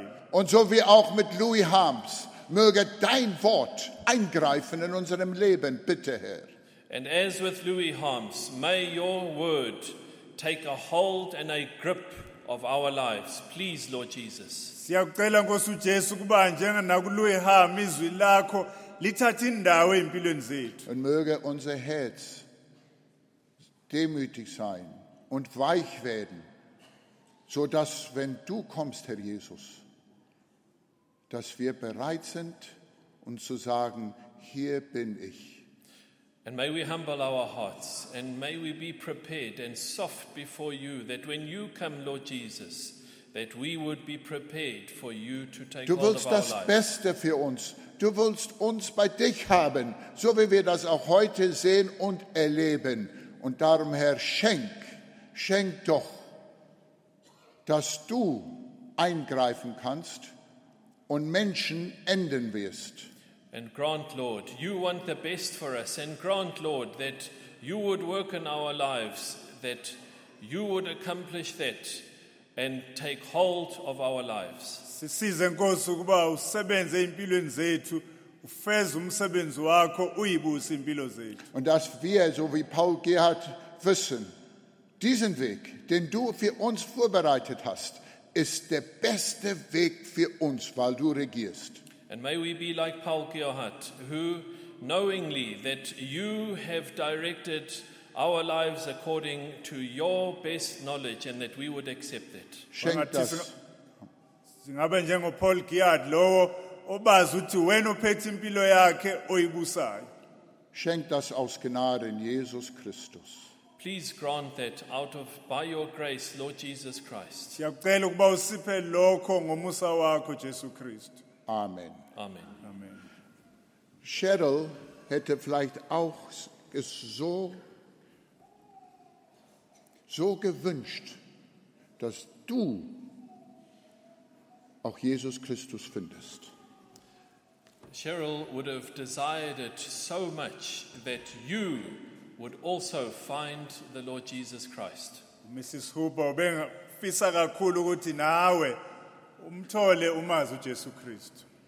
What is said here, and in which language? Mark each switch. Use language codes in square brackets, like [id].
[de] Und so wie auch mit Louis Harms, möge dein Wort eingreifen in unserem Leben, bitte Herr. [en] And as with Louis Harms, may your word take a hold and a grip of our lives. Please, Lord Jesus. [zu] Siyakucela Nkosi uJesu kuba njengakuluye hama izwi lakho lithatha indawo empilweni zethu. [de] Und möge unser Herz demütig sein und weich werden, so dass wenn du kommst, Herr Jesus, dass wir bereit sind und zu sagen, hier bin ich. [en] And may we humble our hearts and may we be prepared and soft before you, that when you come, Lord Jesus, that we would be prepared for you to take [de] du willst [en] hold of our [de] das Beste für uns. Du willst uns bei dich haben, so wie wir das auch heute sehen und erleben. Und darum, Herr, schenk doch, dass du eingreifen kannst und Menschen enden wirst. [en] And grant, Lord, you want the best for us. And grant, Lord, that you would work in our lives, that you would accomplish that and take hold of our lives. [zu] Sisize Nkosi ukuba usebenze empilweni zethu, ufeze umsebenzi wakho, uyibuse impilo zethu. [de] Und dass wir, so wie Paul Gerhard, wissen, diesen Weg, den du für uns vorbereitet hast, ist der beste Weg für uns, weil du regierst. [en] And may we be like Paul Gerhard, who knowingly that you have directed our lives according to your best knowledge and that we would accept it. [zu] Singabe njengo Paul Gerhard lowo obazi ukuthi wena ophethe impilo yakhe oyibusayo. [de] Schenk das aus Gnade in Jesus Christus. [en] Please grant that out of by your grace, Lord Jesus Christ. [zu] Siyacela ukuba usiphe lokho ngomusa wakho Jesu Christu. Amen. Amen. Amen. [de] Cheryl hätte vielleicht auch es so gewünscht, dass du auch Jesus Christus findest. [en] Cheryl would have desired it so much that you would also find the Lord Jesus Christ. [zu] Mrs. Huber, bengifisa kakhulu ukuthi nawe umthole umazi uJesu Kristu.